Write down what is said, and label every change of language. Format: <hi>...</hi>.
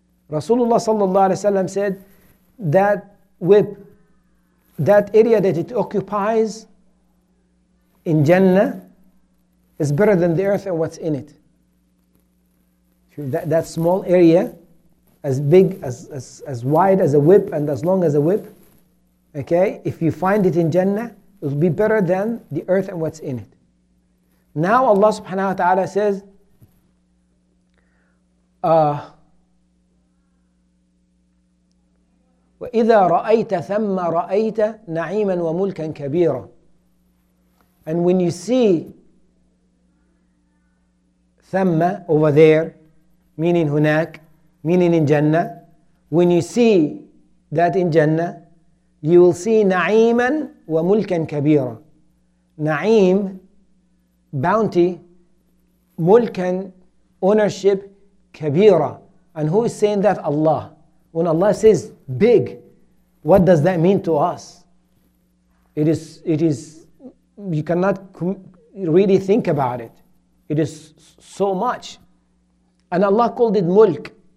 <en>Rasulullah sallallahu alaihi wasallam said that whip, that area that it occupies in Jannah is better than the earth and what's in it. That small area, as big, as wide as a whip and as long as a whip, okay, if you find it in Jannah, it will be better than the earth and what's in it.</en> <ar>Now Allah subhanahu wa ta'ala says, وَإِذَا رَأَيْتَ ثَمَّ رَأَيْتَ نَعِيمًا وَمُلْكًا كَبِيرًا.</ar> <en>And when you see ثَمَّ over there, meaning هناك, meaning in Jannah, when you see that in Jannah, you will see نَعِيمًا وَمُلْكًا كَبِيرًا.</en> <ar>نَعِيم, bounty, مُلْكًا, ownership, كَبِيرًا.</ar> <en>And who is saying that? Allah. When Allah says big, what does that mean to us? It is, you cannot really think about it. It is so much. And Allah called it mulk.</en>